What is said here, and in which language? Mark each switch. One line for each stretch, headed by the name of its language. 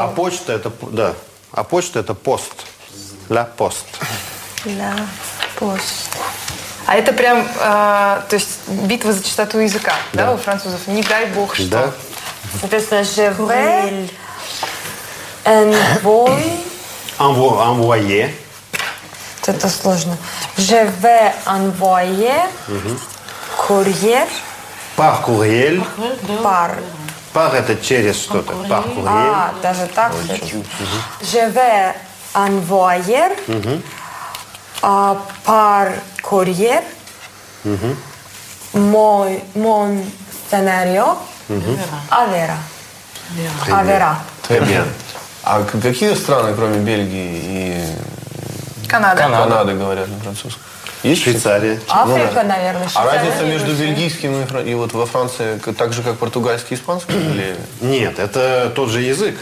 Russian: А почта это, да. А почта это пост.
French: Ля пост. Ля пост.
Russian: А это прям, то есть, битва за чистоту языка, да, у французов? Не дай бог, что. Да.
French: Соответственно, же вэль энвой. Envoyer.
Russian: Это сложно.
French: Je vais envoyer courrier. Par courriel. Par. Par
Russian: это через что-то.
French: Par courriel.
Russian: А, даже так.
French: Je vais envoyer par courrier mon scénario à Vera. À Vera. Très bien.
Russian: А какие страны, кроме Бельгии и Канады говорят на французском? Есть Швейцария. Африка, наверное. А разница между бельгийским и вот во Франции так же, как португальский и испанский? Или... Нет, это тот же язык.